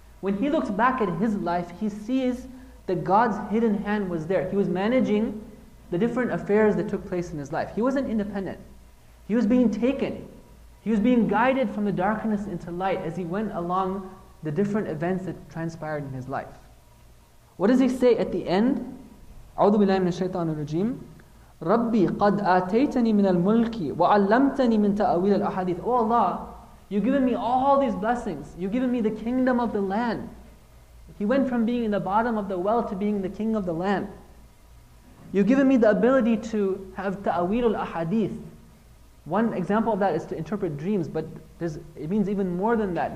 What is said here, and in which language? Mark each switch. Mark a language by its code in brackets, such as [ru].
[en] When he looks back at his life, he sees that God's hidden hand was there. He was managing the different affairs that took place in his life. He wasn't independent. He was being taken. He was being guided from the darkness into light as he went along the different events that transpired in his life. What does he say at the end? [ar] أعوذ بالله من الشيطان الرجيم رَبِّي قَدْ آتَيْتَنِي مِنَ الْمُلْكِ وَعَلَّمْتَنِي مِنْ تَأْوِيلَ الْأَحَادِيثِ [en] Oh Allah, You've given me all these blessings. You've given me the kingdom of the land. He went from being in the bottom of the well to being the king of the land. You've given me the ability to have ta'awilul ahadith. One example of that is to interpret dreams, but it means even more than that.